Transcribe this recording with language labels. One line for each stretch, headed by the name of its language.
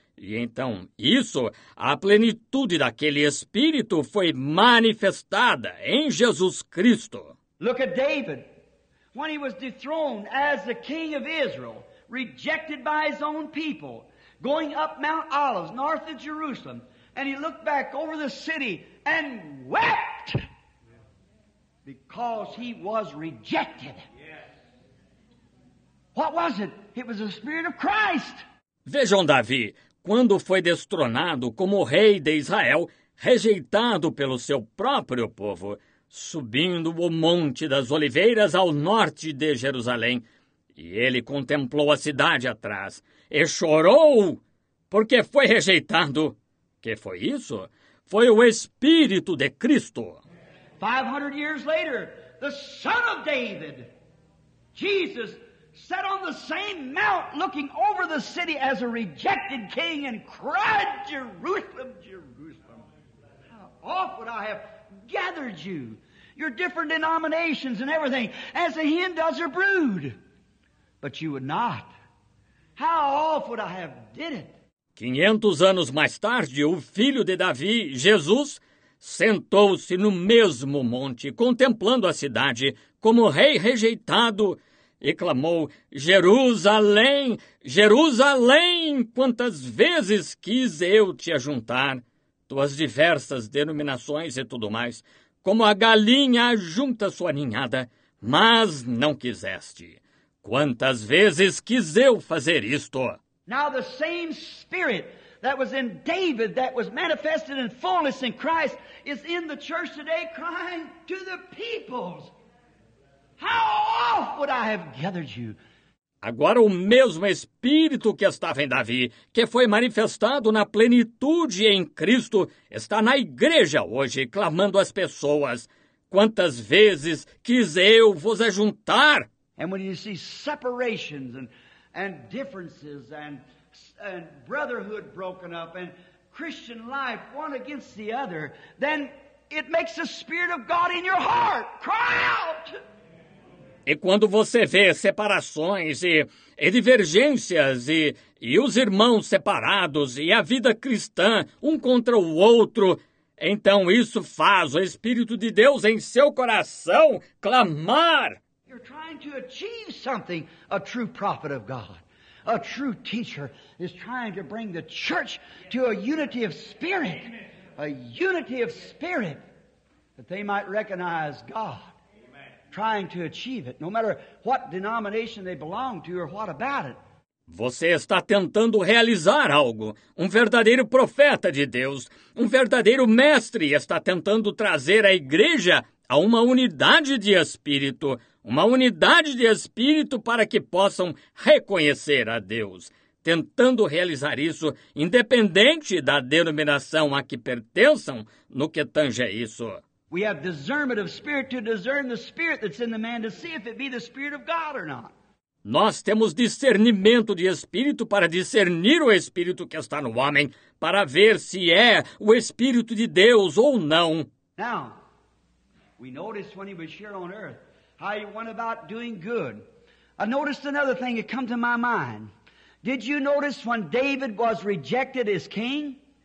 Portuguese: E então, isso, a plenitude daquele Espírito foi manifestada em Jesus Cristo.
English: Look at David, when he was dethroned as the king of Israel, rejected by his own people, going up Mount Olives, north of Jerusalem, and he looked back over the city and wept because he was rejected. What was it? It was the Spirit of Christ.
Portuguese: Vejam Davi, quando foi destronado como rei de Israel, rejeitado pelo seu próprio povo, subindo o Monte das Oliveiras ao norte de Jerusalém. E ele contemplou a cidade atrás e chorou porque foi rejeitado. Que foi isso? Foi o Espírito de Cristo.
English: 500 years later, the Son of David, Jesus, sat on the same mount looking over the city as a rejected king and cried, Jerusalem, Jerusalem, how oft would I have gathered you, your different denominations and everything, as a hen does her brood. But you would not. How oft would I have did it?
Portuguese: 500 anos mais tarde, o filho de Davi, Jesus, sentou-se no mesmo monte, contemplando a cidade como rei rejeitado, e clamou, Jerusalém, Jerusalém, quantas vezes quis eu te ajuntar, tuas diversas denominações e tudo mais, como a galinha ajunta sua ninhada, mas não quiseste. Quantas vezes quis eu fazer isto?
English: Now the same Spirit that was in David, that was manifested in fullness in Christ, is in the church today crying to the peoples. How oft would I have gathered you?
Portuguese: Agora o mesmo Espírito que estava em Davi, que foi manifestado na plenitude em Cristo, está na igreja hoje, clamando às pessoas, quantas vezes quis eu vos ajuntar?
English: And when you see separations and differences and brotherhood broken up and Christian life one against the other, then it makes the Spirit of God in your heart cry out.
Portuguese: E quando você vê separações e divergências e os irmãos separados e a vida cristã um contra o outro, então isso faz o Espírito de Deus em seu coração clamar.
English: You're trying to achieve something. A true prophet of God, a true teacher, is trying to bring the church to a unity of spirit. A unity of spirit that they might recognize God. Trying to achieve it, no matter what denomination they belong to or what about it.
Portuguese: Você está tentando realizar algo. Um verdadeiro profeta de Deus, um verdadeiro mestre está tentando trazer a igreja a uma unidade de espírito. Uma unidade de espírito para que possam reconhecer a Deus. Tentando realizar isso, independente da denominação a que pertençam, no que tange a isso.
English: We have discernment of spirit to discern the spirit that's in the man to see if it be the Spirit of God or not.
Portuguese: Nós temos discernimento de espírito para discernir o espírito que está no homem, para ver se é o Espírito de Deus ou não.
English: Now, we noticed when he was here on earth how he went about doing good. I noticed another thing that came to my mind. Did you notice when David was rejected as king?